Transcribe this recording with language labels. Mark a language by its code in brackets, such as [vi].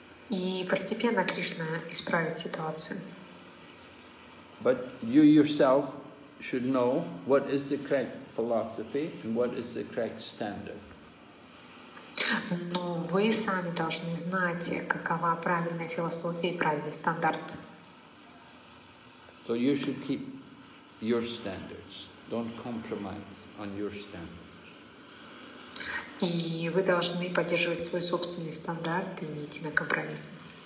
[ru] И постепенно Кришна исправит ситуацию. [en] But you yourself should know what is the correct philosophy and what is the correct standard. [ru] Но вы сами должны знать, какова правильная философия и правильный стандарт. [en] So you should keep your standards. Don't compromise on your standards. [ru] И вы должны поддерживать свой собственный стандарт и не идти на компромисс.